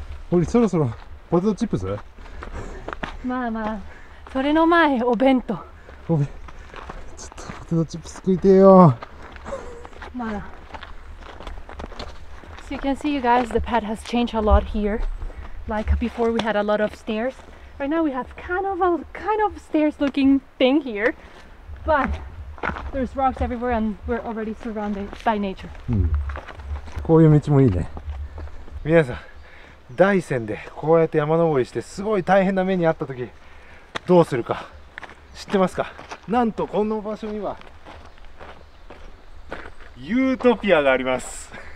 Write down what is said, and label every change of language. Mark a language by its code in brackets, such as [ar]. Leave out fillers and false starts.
[ja] おい、そろそろポテトチップス？まあまあ、それの前お弁当。おめ、ちょっとポテトチップス食いてよ。まだ。 [en] So you can see, you guys, the path has changed a lot here. Like before, we had a lot of stairs. Right now, we have kind of stairs-looking thing here. But there's rocks everywhere and we're already surrounded by nature. [ja] こういう道もいいね。皆さん、大山でこうやって山登りしてすごい大変な目に遭った時どうするか知ってますか？なんとこの場所にはユートピアがあります。